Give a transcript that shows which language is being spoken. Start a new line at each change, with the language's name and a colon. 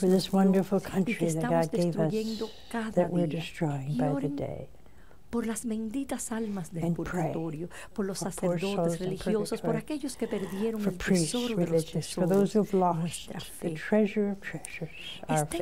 English: for this wonderful country that God gave us that we're destroying by the day.
Spanish: Por las benditas almas del purgatorio, por los sacerdotes religiosos, por aquellos que perdieron el tesoro de los tesoros,
English: for those who've lost the treasure of treasures, our faith.